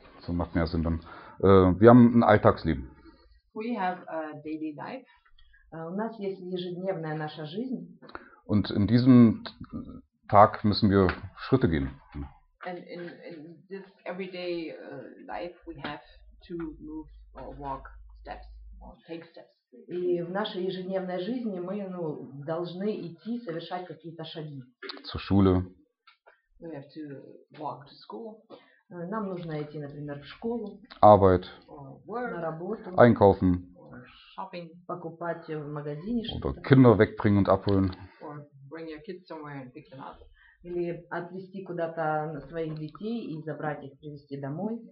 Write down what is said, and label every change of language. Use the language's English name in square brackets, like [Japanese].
[German] So macht mehr Sinn dann. Wir haben ein Alltagsleben. [English] We have a daily life. [Russian] У нас есть ежедневная наша жизнь. [German] Und in diesem Tag müssen wir Schritte gehen. [English] And in this everyday life we have to move or walk steps or take steps. [Russian] И в нашей ежедневной жизни мы, ну, должны идти, совершать какие-то шаги. [German] Zur Schule. [English] We have to walk to school. [Russian] Нам нужно идти, например, в школу. [German] Arbeit. [English] Work, [Russian] на работу. [German] Einkaufen. [English] Shopping. [Russian] Покупать в магазине что-то. [German] Oder Kinder wegbringen und abholen. [English] Or bring your kids somewhere and pick them up. [Russian] Или отвезти куда-то своих детей и забрать их, привезти домой.